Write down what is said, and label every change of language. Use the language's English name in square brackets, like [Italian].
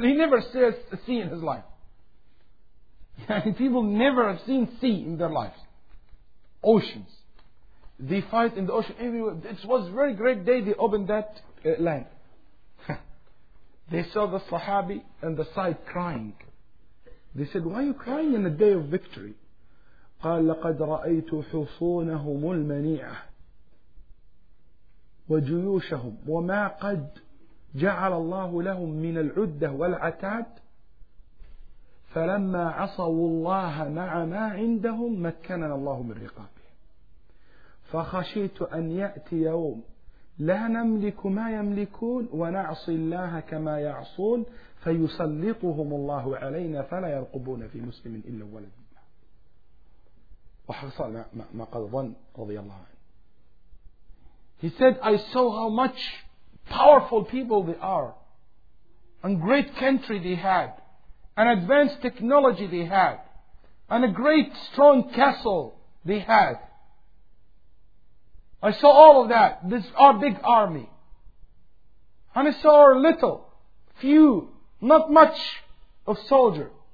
[English] He never says the sea in his life. People never have seen sea in their lives. Oceans. They fight in the ocean everywhere. It was a very great day they opened that land. They saw the Sahabi on the side crying. They said, why are you crying in the day of victory? [Arabic] قال لقد رأيت حصونهم المنيعة وجيوشهم وما قد جعل الله لهم من العدة والعتاد فلما عصوا الله مع ما عندهم مكننا الله من رقابه فخشيت أن يأتي يوم لا نملك ما يملكون ونعصي الله كما يعصون فيسلطهم الله علينا فلا يرقبون في مسلم إلا ولد وحصل ما قد ظن رضي الله عنه. [English] He said, I saw how much powerful people they are and great country they had, an advanced technology they had, and a great strong castle they had. I saw all of that. This our big army. And I saw our little, few, not much of soldier.